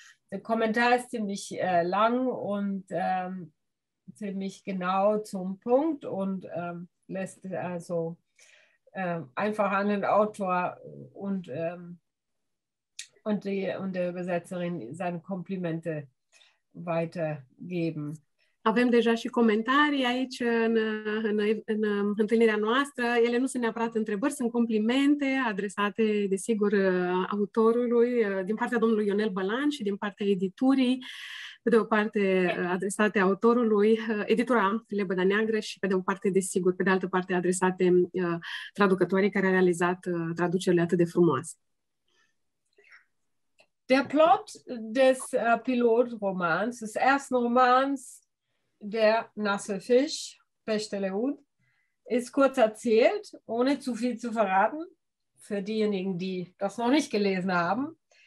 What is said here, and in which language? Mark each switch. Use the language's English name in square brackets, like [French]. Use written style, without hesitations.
[German] Der Kommentar ist ziemlich lang und ziemlich genau zum Punkt und lässt also einfach an den Autor und der Übersetzerin seine Komplimente weitergeben. [Romanian] Avem deja și comentarii aici în întâlnirea noastră. Ele nu sunt neapărat întrebări, sunt complimente adresate, desigur, autorului din partea domnului Ionel Balan și din partea editurii. Pe de o parte adresate autorului, editura Lebăda Neagră și pe de o parte, desigur, pe de altă parte adresate traducătoarei care a realizat traducerile atât de frumoase. [German] Der plot des Pilotromans, des ersten Romans Der nasse Fisch, Pechteleud, ist kurz erzählt, ohne zu viel zu verraten, für diejenigen, die das noch nicht gelesen haben.